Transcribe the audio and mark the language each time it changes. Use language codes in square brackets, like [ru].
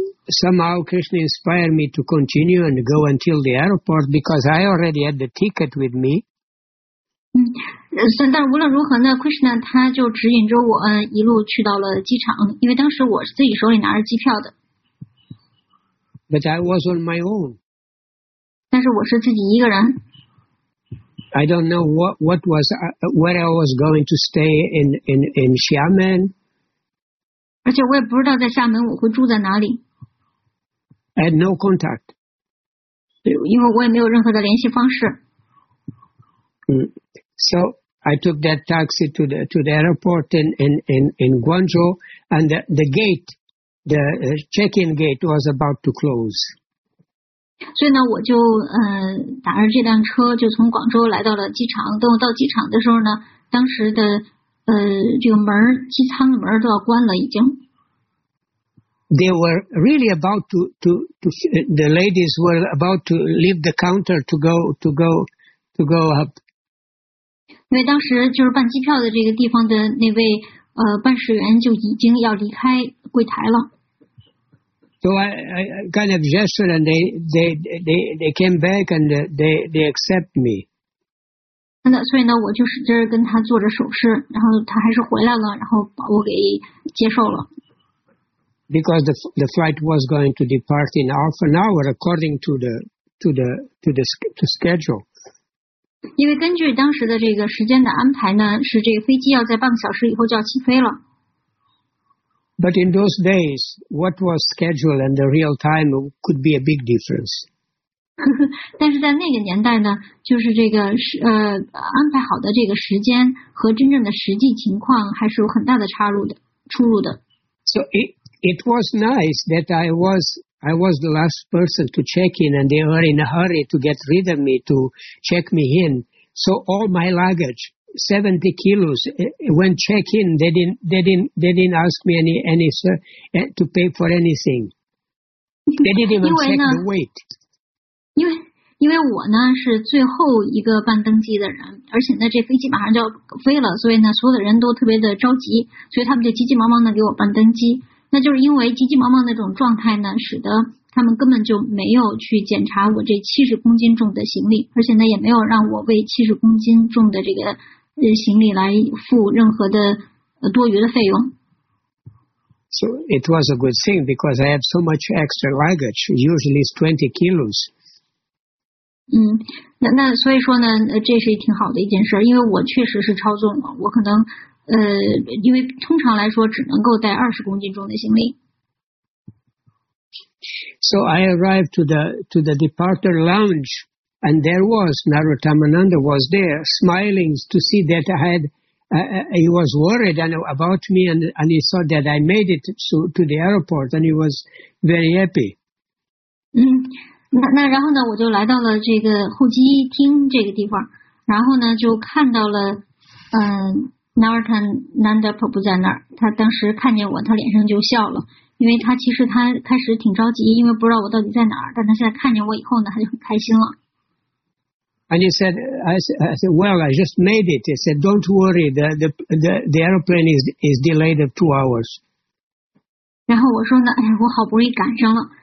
[en] Somehow Krishna inspired me to continue and go until the airport because I already had the ticket with me. [zh] 嗯，但无论如何呢 ，Krishna 他就指引着我一路去到了机场，因为当时我自己手里拿着机票的。 [en] But I was on my own. [zh] 但是我是自己一个人。 [en] I don't know where I was going to stay in Xiamen. [zh] 而且我也不知道在厦门我会住在哪里。 [en] I had no contact. [zh] 因为我也没有任何的联系方式。 [en] So I took that taxi to the airport in Guangzhou, and the gate, the check-in gate was about to close. [zh] 所以呢，我就打着这辆车就从广州来到了机场。等我到机场的时候呢，当时的这个门，机舱的门都要关了，已经。 [en] They were really about to the ladies were about to leave the counter to go up. [zh] 因为当时就是办机票的这个地方的那位办事员就已经要离开柜台了。 [en] So I kind of gestured and they came back and they accept me. [zh] 那所以呢，我就使劲跟他做着手势，然后他还是回来了，然后把我给接受了。 [en] Because the flight was going to depart in half an hour, according to the schedule. [zh] 因为根据当时的这个时间的安排呢，是这个飞机要在半个小时以后就要起飞了。 [en] But in those days, what was scheduled and the real time could be a big difference. [zh] 但是在那个年代呢，就是这个安排好的这个时间和真正的实际情况还是有很大的出入的。 [en] So It was nice that I was the last person to check in, and they were in a hurry to get rid of me to check me in. So all my luggage, 70 kilos, when check in, they didn't ask me any to pay for anything. They didn't even check the weight. [zh] 因为我呢是最后一个办登机的人，而且呢这飞机马上就要飞了，所以呢所有的人都特别的着急，所以他们就急急忙忙的给我办登机。那就是因为急急忙忙那种状态呢，使得他们根本就没有去检查我这70公斤重的行李，而且呢也没有让我为70公斤重的这个行李来付任何的多余的费用。 [en] So it was a good thing because I had so much extra luggage, usually it's 20 kilos. [zh] 那所以说呢，这是挺好的一件事，因为我确实是超重了，我可能。因为通常来说只能够带20公斤重的行李。 [en] So I arrived to the departure lounge, and there was Narottamananda was there smiling to see that I had he was worried about me and he saw that I made it to the airport and he was very happy. [zh] 那然后呢，我就来到了这个候机厅这个地方，然后呢就看到了Narottamananda Prabhu 在那儿，他当时看见我，他脸上就笑了，因为他其实他开始挺着急，因为不知道我到底在哪儿，但他现在看见我以后呢，他就很开心了。 [en] And he said, I said, well, I just made it. He said, don't worry, the airplane is delayed of 2 hours. [zh] 然后我说呢，哎，我好不容易赶上了。